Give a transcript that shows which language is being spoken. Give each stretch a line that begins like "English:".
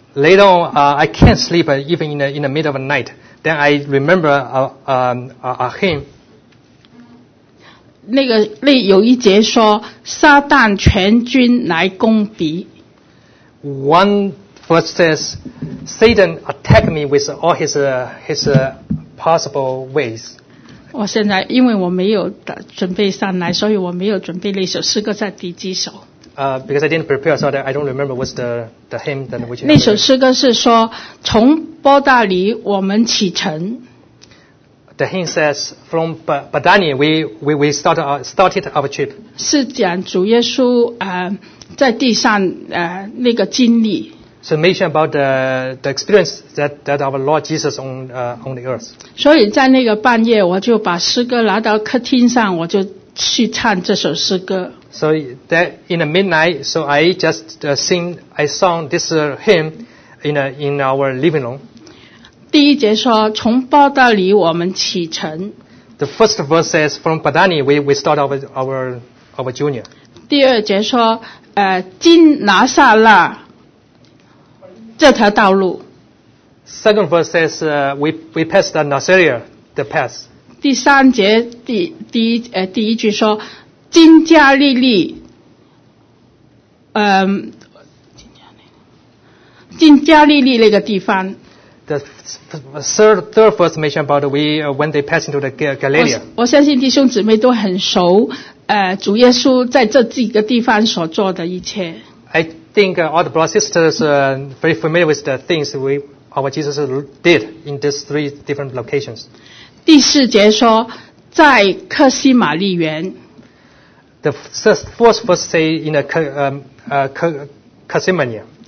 English: Later on, I can't sleep even in the middle of the night. Then I remember a hymn.
Chinese: 那有一节说，撒旦全军来攻敌。
English: One verse says, Satan attacked me with all his possible ways.
Chinese: 我现在因为我没有准备上来，所以我没有准备那首诗歌在第几首。
English: Because I didn't prepare, so I don't remember what's the hymn that which.
Chinese: 那首诗歌是说，从波大里我们启程。
English: The hymn says, from Badani, we started our trip.
Chinese: 是讲主耶稣在地上那个经历。
English: So mention about the experience that our Lord Jesus on the earth.
Chinese: 所以在那个半夜，我就把诗歌拿到客厅上，我就去唱这首诗歌。
English: So that in the midnight, so I just sung this hymn in our living room.
Chinese: 第一节说从报道里我们启程。
English: The first verse says from Badani we start our journey.
Chinese: 第二节说。经拿撒勒这条道路。
English: Second verse says, we pass the Nazaria, the path.
Chinese: 第三节第一句说，经加利利，经加利利那个地方。
English: The third verse mentioned about when they pass into the Galilee.
Chinese: 我相信弟兄姊妹都很熟。主耶稣在这几个地方所做的一切。
English: I think all the brothers and sisters are very familiar with the things our Jesus did in these three different locations.
Chinese: 第四节说，在克西玛丽园。
English: The fourth verse say in a Gethsemane.